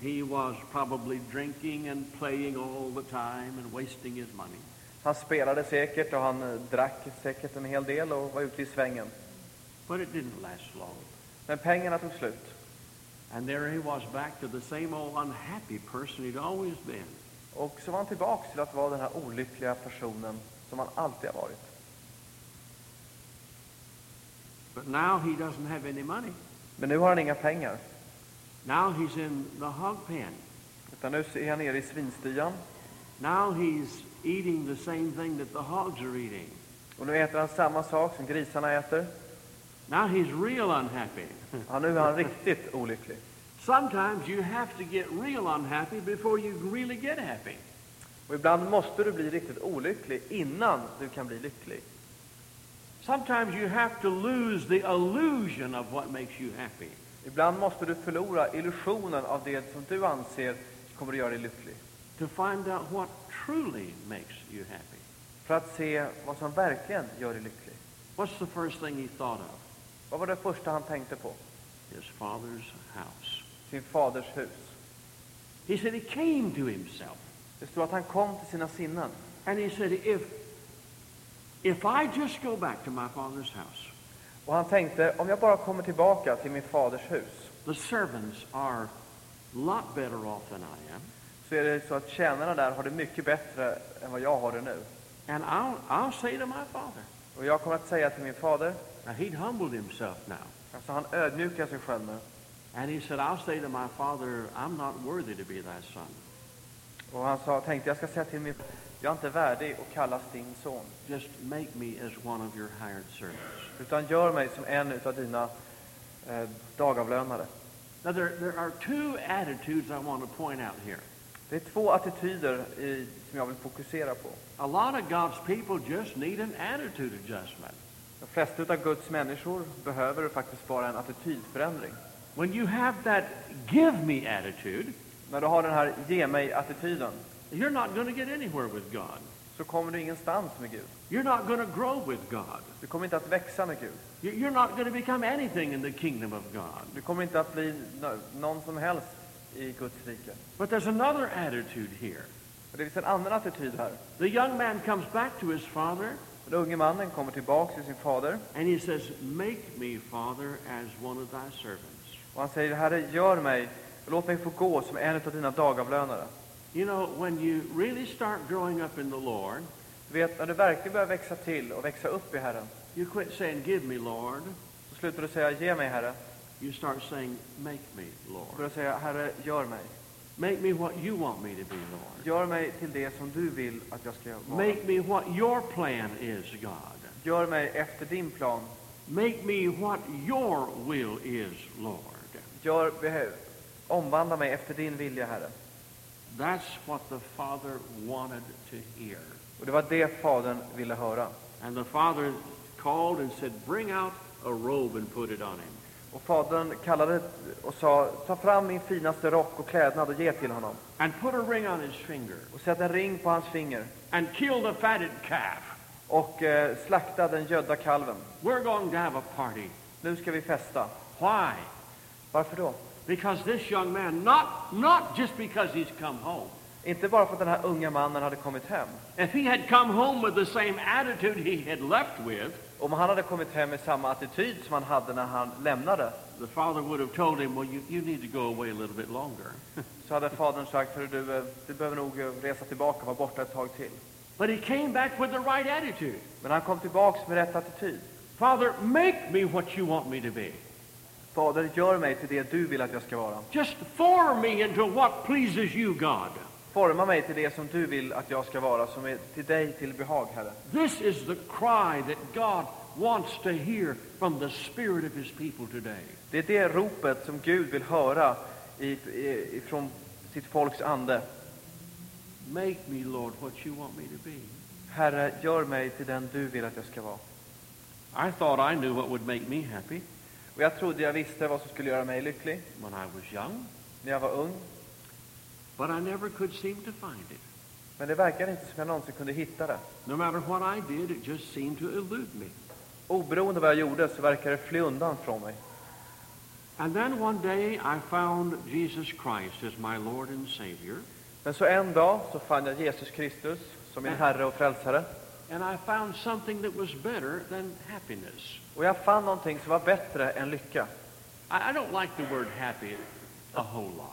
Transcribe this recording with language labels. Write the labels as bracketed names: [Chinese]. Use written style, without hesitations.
[English] He was probably drinking and playing all the time and wasting his money. [Swedish] Han spelade säkert och han drack säkert en hel del och var ute i svängen. [English] But it didn't last long. [Swedish] Men pengarna tog slut. [English] And there he was back to the same old unhappy person he'd always been. [Swedish] Och så var han tillbaka till att vara den här olyckliga personen som han alltid har varit. [English] But now he doesn't have any money. [Swedish] Men nu har han inga pengar. [English] Now he's in the hog pen. [Swedish] Utan nu är han nere i svinstian. [English] Now he's eating the same thing that the hogs are eating. [Swedish] Och nu äter han samma sak som grisarna äter. [English] Now he's real unhappy. [Swedish] Ja, nu är han riktigt olycklig. [English] Sometimes you have to get real unhappy before you really get happy. [Swedish] Och ibland måste du bli riktigt olycklig innan du kan bli lycklig. [English] Sometimes you have to lose the illusion of what makes you happy. [Swedish] Ibland måste du förlora illusionen av det som du anser kommer att göra dig lycklig. [English] To find out what truly makes you happy. [Swedish] För att se vad som verkligen gör dig lycklig. [English] What's the first thing he thought of? [Swedish] Vad var det första han tänkte på? [English] His father's house. [Swedish] Sin faders hus. [English] He said he came to himself. [Swedish] Det stod att han kom till sina sinnen. [English] And he said if I just go back to my father's house. [Swedish] Och han tänkte, om jag bara kommer tillbaka till min faders hus. [English] The servants are a lot better off than I am. [Swedish] Så är det så att tjänarna där har det mycket bättre än vad jag har det nu. [English] And I'll say to my father. [Swedish] Och jag kommer att säga till min fader. [English] Now he'd humbled himself now. [Swedish] Alltså han ödmjukar sig själv nu. [English] And he said, I'll say to my father, I'm not worthy to be thy son. [Swedish] Och han sa, tänkte jag ska säga till min fader, jag är inte värdig att kallas din son. [English] Just make me as one of your hired servants. [Swedish] Utan gör mig som en av dina dagavlönare. [English] Now there are two attitudes I want to point out here. [Swedish] Det är två attityder som jag vill fokusera på. [English] A lot of God's people just need an attitude adjustment. [Swedish] De flesta av Guds människor behöver faktiskt bara en attitydförändring. [English] When you have that give me attitude, [Swedish] när du har den här ge mig attityden, [English] you're not going to get anywhere with God. [Swedish] Så kommer du ingenstans med Gud. [English] You're not going to grow with God. [Swedish] Du kommer inte att växa med Gud. [English] You're not going to become anything in the kingdom of God. [Swedish] Du kommer inte att bli någon som helst i Guds rike. [English] But there's another attitude here. [Swedish] Det finns en annan attityd här. [English] The young man comes back to his father. [Swedish] Den unge mannen kommer tillbaka till sin fader. [English] And he says, make me father as one of thy servants. [Swedish] Och han säger, Herre, gör mig, låt mig få gå som en av dina dagavlönare. [English] You know, when you really start growing up in the Lord, [Swedish] du vet, när du verkligen börjar växa till och växa upp i Herren, [English] you quit saying, give me Lord. [Swedish] Så slutar du säga, ge mig Herre. [English] You start saying, make me Lord. [Swedish] Du börjar säga, Herre, gör mig. [English] Make me what you want me to be, Lord. [Swedish] Gör mig till det som du vill att jag ska vara. [English] Make me what your plan is, God. [Swedish] Gör mig efter din plan. [English] Make me what your will is, Lord. [Swedish] Omvandla mig efter din vilja, Herre. [English] That's what the father wanted to hear. [Swedish] Och det var det fadern ville höra. [English] And the father called and said, bring out a robe and put it on him. [Swedish] Och fadern kallade och sa, ta fram min finaste rock och klädnad och ge till honom. [English] And put a ring on his finger. [Swedish] Och sätt en ring på hans finger. [English] And kill the fatted calf. [Swedish] Och slakta den gödda kalven. [English] We're going to have a party. [Swedish] Nu ska vi festa. [English] Why? [Swedish] Varför då? [English] Because this young man, not just because he's come home. [Swedish] Inte bara för att den här unga mannen hade kommit hem. [English] If he had come home with the same attitude he had left with. [Swedish] Om han hade kommit hem med samma attityd som han hade när han lämnade. [English] The father would have told him, well, you need to go away a little bit longer. [Swedish] Så hade fadern sagt, för du behöver nog resa tillbaka och vara borta ett tag till. [English] But he came back with the right attitude. [Swedish] Men han kom tillbaka med rätt attityd. [English] Father, make me what you want me to be. [Swedish] Fader, gör mig till det du vill att jag ska vara. [English] Just form me into what pleases you, God. [Swedish] Forma mig till det som du vill att jag ska vara, som är till dig till behag, Herre. [English] This is the cry that God wants to hear from the spirit of his people today. [Swedish] Det är det ropet som Gud vill höra ifrån sitt folks ande. [English] Make me, Lord, what you want me to be. [Swedish] Herre, gör mig till den du vill att jag ska vara. [English] I thought I knew what would make me happy. [Swedish] Och jag trodde jag visste vad som skulle göra mig lycklig. [English] When I was young. [Swedish] När jag var ung. [English] But I never could seem to find it. [Swedish] Men det verkar inte som jag någonsin kunde hitta det. [English] No matter what I did, it just seemed to elude me. [Swedish] Oberoende vad jag gjorde så verkar det fly undan från mig. [English] And then one day I found Jesus Christ as my Lord and Savior. [Swedish] Men så en dag så fann jag Jesus Kristus som min Herre och Frälsare. [English] And I found something that was better than happiness. [Swedish] Och jag fann någonting som var bättre än lycka. [English] I don't like the word happy a whole lot.